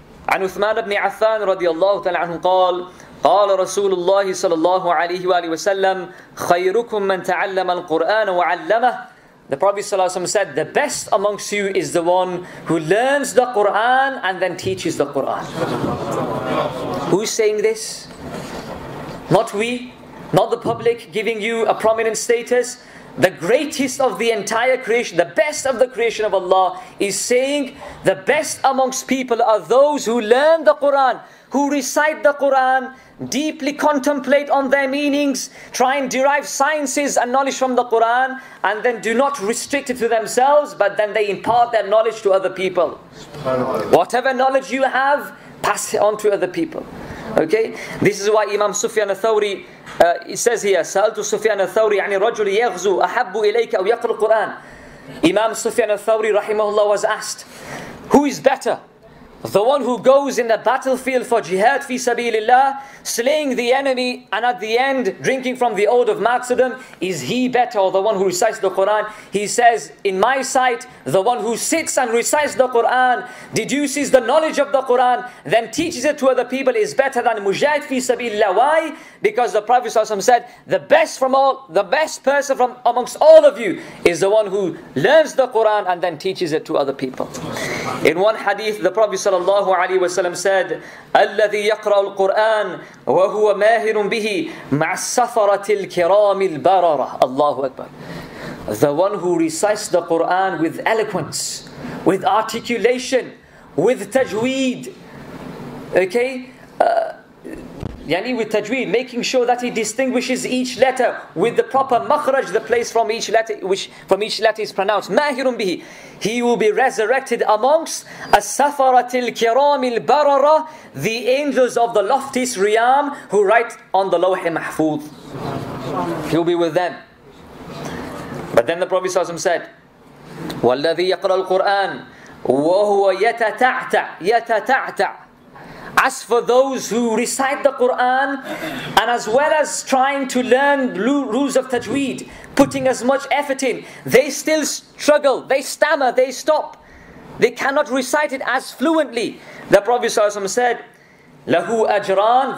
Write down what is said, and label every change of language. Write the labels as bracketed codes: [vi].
[ar] عن عثمان بن عفان رضي الله تعالى عنه قال قال رسول الله صلى الله عليه وآله وسلم خيركم من تعلم القرآن وعلمه. [en] The Prophet صلى الله عليه وسلم said, the best amongst you is the one who learns the Quran and then teaches the Quran. Who's saying this? Not we, not the public giving you a prominent status. The greatest of the entire creation, the best of the creation of Allah, is saying the best amongst people are those who learn the Quran, who recite the Quran, deeply contemplate on their meanings, try and derive sciences and knowledge from the Quran, and then do not restrict it to themselves, but then they impart their knowledge to other people. Whatever knowledge you have, pass it on to other people. Okay, this is why Imam Sufyan al-Thawri says here, [ar] سَأَلْتُ سُفْيَانَ الثَّوْرِ يَعْنِي رَجُلِ يَغْزُ أَحَبُّ إِلَيْكَ أَوْ يَقْرُ الْقُرْآنَ. [en] Imam Sufyan al-Thawri rahimahullah was asked, who is better? The one who goes in the battlefield for jihad fi sabilillah, slaying the enemy and at the end drinking from the ode of martyrdom, is he better or the one who recites the Quran? He says, in my sight, the one who sits and recites the Quran, deduces the knowledge of the Quran, then teaches it to other people is better than mujahid fi sabilillah. Why? Because the Prophet ﷺ said, the best person from amongst all of you is the one who learns the Quran and then teaches it to other people. In one hadith, the Prophet [ar] صلى الله عليه وسلم said, الذي يقرأ القرآن وهو ماهر به مع السفرة الكرام البررة. الله أكبر. [en] The one who recites the Quran with eloquence, with articulation, with تجويد. Okay? [ar] يعني [en] with تجويد, making sure that he distinguishes each letter with the proper مخرج, the place from each letter, which from each letter is pronounced. [ar] ماهر به. [en] He will be resurrected amongst as-safaratil kiramil barara, the angels of the loftiest riyam who write on the lawh mahfuz. He'll be with them. But then the Prophet ﷺ said, [ar] وَالَّذِي يَقْرَى الْقُرْآنَ وَهُوَ يَتَتَعْتَعْ يَتَتَعْتَعْ. [en] As for those who recite the Quran, and as well as trying to learn rules of tajweed, putting as much effort in, they still struggle, they stammer, they stop. They cannot recite it as fluently. The Prophet ﷺ said, [ar] لَهُ أَجْرَان.